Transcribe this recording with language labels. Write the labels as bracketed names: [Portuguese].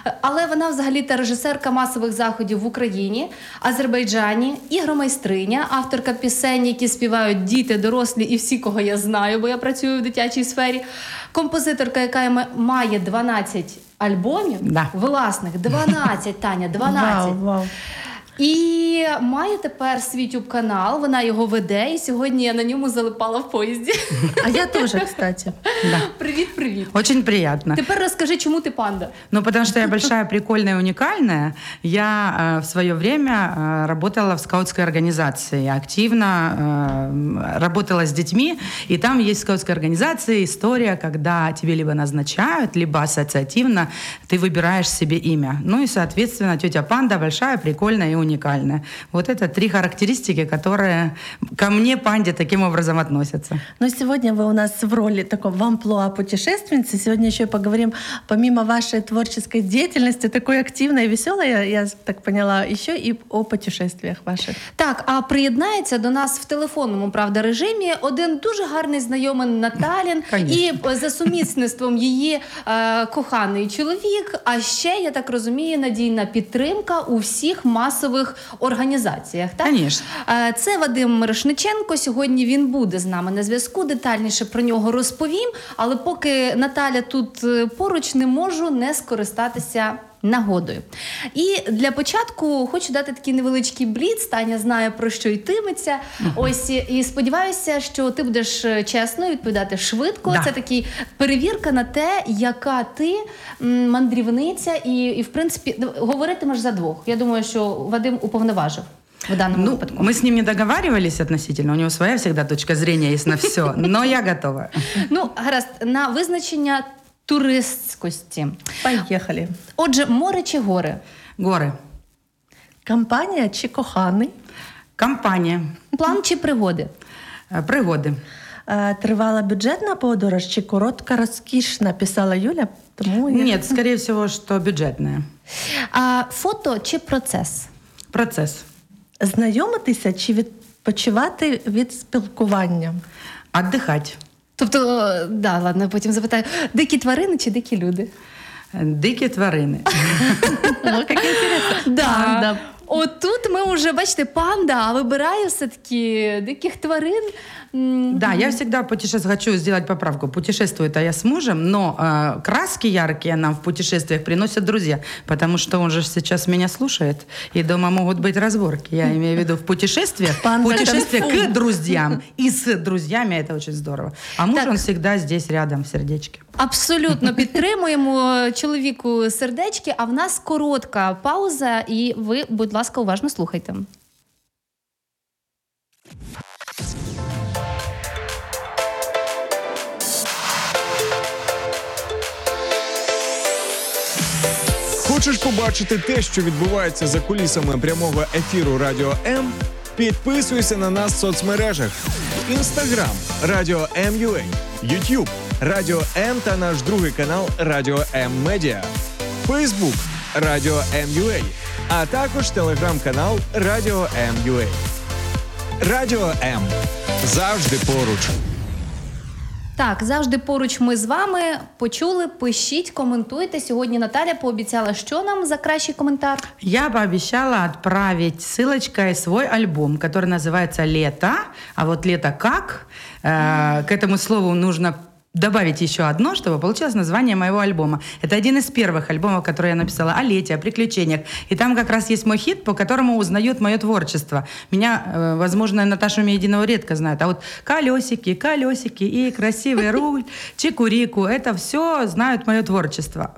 [Ukrainian] Але вона взагалі-то режисерка масових заходів в Україні, Азербайджані, ігромайстриня, авторка пісень, які співають діти, дорослі і всі, кого я знаю, бо я працюю в дитячій сфері, композиторка, яка має 12 альбомів, [Russian] да, [Ukrainian] власних, 12, Таня, 12. Вау, вау. І має тепер свій ютуб-канал, вона його веде, і сьогодні я на ньому залипала в поїзді. А я теж, кстати. [Russian] Да. [Ukrainian] Привіт, привіт. [Russian] Очень приятно. [Ukrainian] Тепер розкажи, чому ти панда? [Russian] Ну, потому что я большая, прикольная, уникальная. Я в своё время работала в скаутской организации, активно работала с детьми, и там есть в скаутской организации история, когда тебе либо назначают, либо ассоциативно ты выбираешь себе имя. Ну и, соответственно, тётя панда большая, прикольная, уникальная. Вот это три характеристики, которые ко мне, панде, таким образом относятся. Но сегодня вы у нас в роли такого амплуа путешественницы. Сегодня еще поговорим, помимо вашей творческой деятельности, такой активной и веселой, я так поняла, еще и о путешествиях ваших. [Ukrainian] Так, а приєднається до нас в телефонному, правда, режимі один дуже гарний знайомий Наталін. І за сумісництвом її коханий чоловік, а ще, я так розумію, надійна підтримка у всіх масових організаціях, так? [Russian] Конечно. [Ukrainian] Це Вадим Мирошниченко. Сьогодні він буде з нами на зв'язку. Детальніше про нього розповім. Але поки Наталя тут поруч, не можу не скористатися нагодою. І для початку хочу дати такий невеличкий бліц. Таня знає, про що йтиметься. Ось, і сподіваюся, що ти будеш чесно відповідати швидко. [Russian] Да. [Ukrainian] Це такий перевірка на те, яка ти мандрівниця. І в принципі, говоритимеш за двох. Я думаю, що Вадим уповноважив. [Russian] В данном выпадку. Мы с ним не договаривались относительно, у него своя всегда точка зрения есть на все, но я готова. [Ukrainian] Ну, гаразд, на визначення туристськості. Поїхали. Отже, море чи гори? Гори. Компанія чи коханий? Компанія. План чи пригоди? Пригоди. Тривала бюджетна подорож чи коротка розкішна, писала Юля. [Russian] Тому Нет, скорее всего, что бюджетная. [Ukrainian] А фото чи процес? Процес. Знайомитися чи відпочивати від спілкування? [Russian] Отдыхать. [Ukrainian] Тобто, да, ладно, потім запитаю. Дикі тварини чи дикі люди? Дикі тварини. Ну, як інтересно. Да. От тут ми вже, бачите, панда, а вибираю все-таки диких тварин. [Russian] Да, я всегда хочу сделать поправку. Путешествую-то я с мужем, но краски яркие нам в путешествиях приносят друзья, потому что он же сейчас меня слушает, и дома могут быть разборки. Я имею в виду в путешествиях, путешествия к друзьям и с друзьями, это очень здорово. А муж, так, он всегда здесь рядом, в сердечке. [Ukrainian] Абсолютно підтримуємо чоловіку сердечки, а в нас коротка пауза, і ви, будь ласка, уважно слухайте. Хочеш побачити те, що відбувається за кулісами прямого ефіру Радіо М? Підписуйся на нас в соцмережах. Instagram – Радіо М.UA, YouTube – Радіо М та наш другий канал Радіо М Медіа, Фейсбук Радіо М UA, а також телеграм-канал Радіо М UA. Радіо М завжди поруч. Так, завжди поруч ми з вами. Почули, пишіть, коментуйте. Сьогодні Наталя пообіцяла, що нам за кращий коментар. Я пообіцяла відправити посилочкою свій альбом, який називається «Лето». А от «Лето як?» [Russian] К этому слову нужно добавить еще одно, чтобы получилось название моего альбома. Это один из первых альбомов, который я написала о лете, о приключениях. И там как раз есть мой хит, по которому узнают мое творчество. Меня, возможно, Наташу Мединову редко знают. А вот «Колесики, колесики» и «Красивый руль», «Чикурику» — это все знают мое творчество.